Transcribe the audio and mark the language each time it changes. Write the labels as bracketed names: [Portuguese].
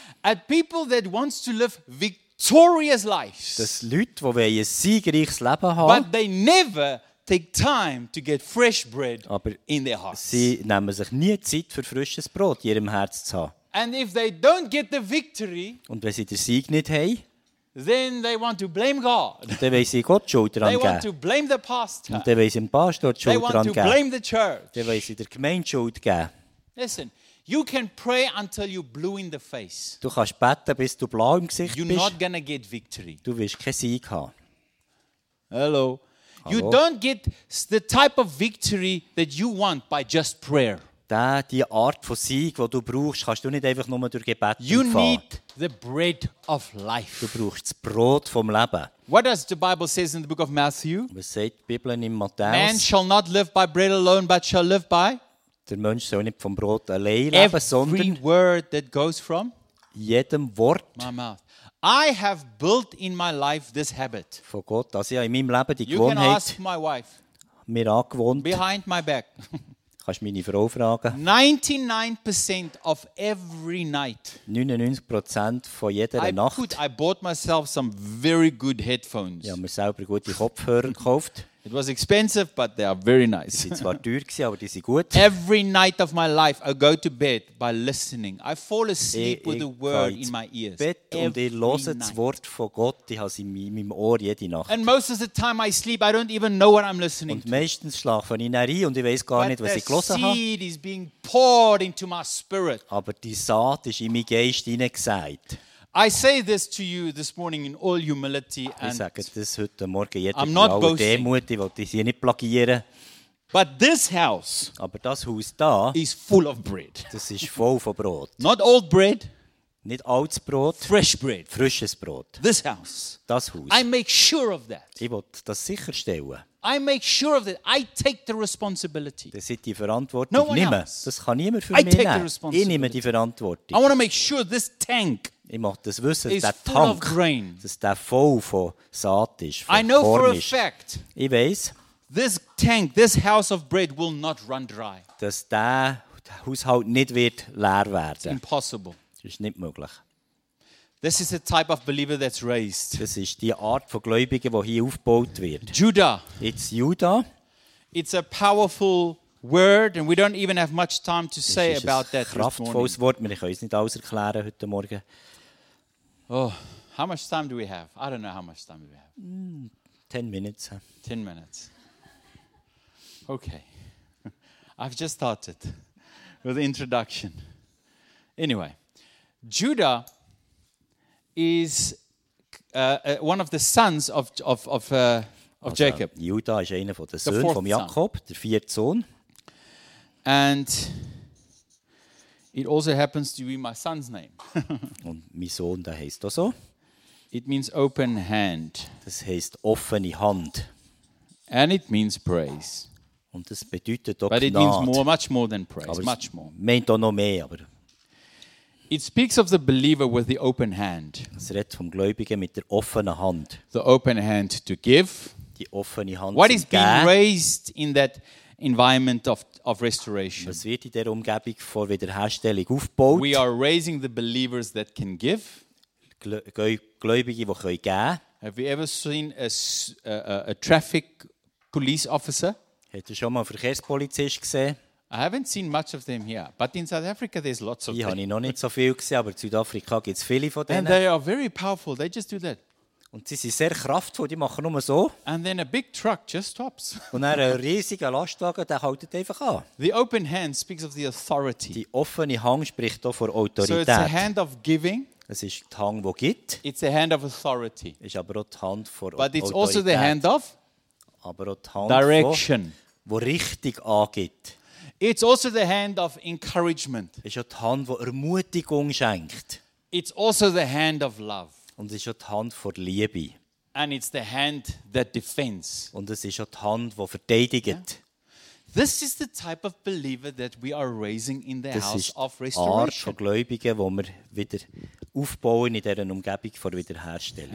[English] At people that wants to live victorious. Victorious lives. [German] Dass Leute, die ein siegreiches Leben haben, [English] but they never take time to get fresh bread in their hearts. [German] Sie nehmen sich nie Zeit für frisches Brot in ihrem Herz zu haben. [English] And if they don't get the victory, [German] und wenn sie den Sieg nicht haben, [English] then they want to blame God. [German] Und dann wollen sie Gott Schuld dran geben. [English] They want to blame the pastor. [German] Und dann wollen sie dem Pastor die Schuld dran geben. [English] Blame the church. [German] Dann wollen sie der Gemeinde Schuld geben. [English] Listen. You can pray until you're blue in the face. [German] Du kannst beten, bis du blau im Gesicht [English] you're [German] bist. [English] You're not gonna get victory. [German] Du wirst keinen Sieg haben. [English] Hello. You don't get the type of victory that you want by just prayer. [German] Die Art von Sieg, die du brauchst, kannst du nicht einfach nur durch Gebet empfangen. [English] You need the bread of life. [German] Du brauchst das Brot vom Leben. [English] What does the Bible says in the book of Matthew? [German] Was sagt die Bibel in Matthäus? [English] Man shall not live by bread alone, but shall live by [German] der Mensch soll nicht vom Brot allein leben, [English] every [German] sondern [English] word that goes from [German] jedem Wort [English] my mouth. I have built in my life this habit. [German] Von Gott, dass ich in meinem Leben die Gewohnheit. [English] You can ask my wife. [German] Mir angewohnt. [English] Behind my back. [German] Kannst meine Frau fragen. [English] 99% of every night. [German] 99% von jeder Nacht. [English] I bought myself some very good headphones. [German] Ich habe mir selber gute Kopfhörer gekauft. [English] It was expensive, but they are very nice. [German] Die sind zwar teuer gewesen, aber die sind gut. [English] Every night of my life, I go to bed by listening. I fall asleep with the word in my ears. [German] Und ich lose das Wort von Gott, ich habe es in meinem Ohr jede Nacht. [English] And most of the time I sleep, I don't even know what I'm listening [German] to. Und meistens schlafe ich rein und ich weiß gar nicht, was ich gelesen habe. [English] The seed is being poured into my spirit. [German] Aber die Saat ist in meinen Geist hineingesät. [English] I say this to you this morning in all humility and [German] ich sage das heute Morgen jedem in aller Demut, ich will das hier nicht plagieren. [English] But this house, [German] aber das Haus da, [English] is full of bread. [German] Das ist voll von Brot. [English] Not old bread, [German] nicht altes Brot, [English] fresh bread, [German] frisches Brot. [English] This house, [German] das Haus. [English] I make sure of that. [German] Ich will das sicherstellen. [English] I make sure of that. I take the responsibility. [German] Das ist die Verantwortung. [English] No one else. [German] Das kann niemand für mich nehmen. Ich nehme die Verantwortung. [English] I want to make sure this tank. [German] Ich möchte das wissen, dass der Tank, dass der voll von Saat ist, von [English] I know [German] Korn [English] for [German] ist. [English] A fact, [German] ich weiß, [English] this tank, this house of bread will not run dry. [German] Dass der Haushalt nicht wird leer werden. [English] It's impossible. [German] Das ist nicht möglich. [English] This is the type of believer that's raised. [German] Das ist die Art von Gläubigen, die hier aufgebaut wird. [English] Judah. It's Judah. It's a powerful word, and we don't even have much time to say about that. [German] Kraftvolles Wort, wir können es nicht alles erklären heute Morgen. [English] Oh, how much time do we have? I don't know how much time do we have. 10 minutes. 10 minutes. Okay. I've just started with the introduction. Anyway, Judah is one of the sons of Jacob. [German] Judah ist einer von den Söhnen von Jakob, der vierte Sohn. [English] And it also happens to be my son's name. [German] Und mein Sohn, der heißt auch so. [English] It means open hand. [German] Das heißt offene Hand. [English] And it means praise. [German] Und das bedeutet auch [English] But [German] Gnade. [English] It means more, much more than praise, [German] aber [English] much more. [German] Meint auch noch mehr, aber. [English] It speaks of the believer with the open hand. [German] Es redet vom Gläubigen mit der offenen Hand. [English] The open hand to give. [German] Die offene Hand. [English] What is being raised in that environment of restoration. [German] Was wird in der Umgebung vor Wiederherstellung aufgebaut? [English] We are raising the believers that can give. [German] Gläubige, die können geben. [English] Have you ever seen a traffic police officer? [German] Hättest du schon mal einen Verkehrspolizist gesehen? [English] I haven't seen much of them here, but in South Africa there's lots of them. [German] Ich habe noch nicht so viel gesehen, aber in Südafrika gibt es viele von denen. [English] And they are very powerful. They just do that. [German] Und sie sind sehr kraftvoll, die machen nur so. [English] And then a big truck just stops. [German] Und dann ein riesiger Lastwagen, der hält einfach an. [English] The open hand speaks of the authority. [German] Die offene Hand spricht auch von Autorität. [English] So it's a hand of giving. [German] Es ist die Hand, die gibt. [English] It's a hand of authority. [German] Es ist aber auch die Hand von [English] But it's Autorität. Also the hand of [German] aber auch die Hand [English] direction. [German] Von, die richtig angibt. [English] It's also the hand of encouragement. [German] Es ist auch die Hand, die Ermutigung schenkt. [English] It's also the hand of love. [German] Und es ist auch die Hand vor Liebe. [English] And it's the hand that defends. [German] Und es ist auch die Hand, die verteidigt. [English] Yeah. This is the type of believer that we are raising in the [German] das [English] house of restoration. [German] Das ist Art von Gläubigen, wo wir wieder aufbauen in dieser Umgebung vor Wiederherstellung.